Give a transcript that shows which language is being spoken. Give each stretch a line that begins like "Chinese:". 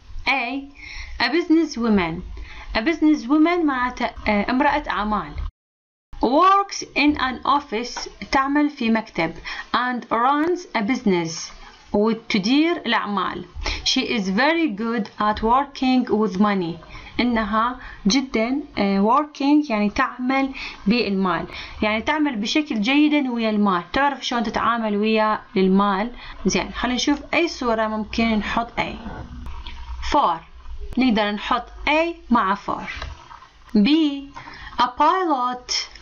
English: A a business woman. A business woman
Arabic: معناتها امرأة أعمال.
English: Works in an office
Arabic: تعمل في مكتب.
English: And runs a business
Arabic: وتدير الأعمال.
English: She is very good at working with money.
Arabic: إنها جدا
English: working
Arabic: يعني تعمل بالمال يعني تعمل بشكل جيد ويا المال، تعرف شلون تتعامل ويا المال. زين خلينا نشوف أي صورة ممكن نحط A.
English: 4
Arabic: نقدر نحط
English: A
Arabic: مع
English: 4. B a pilot.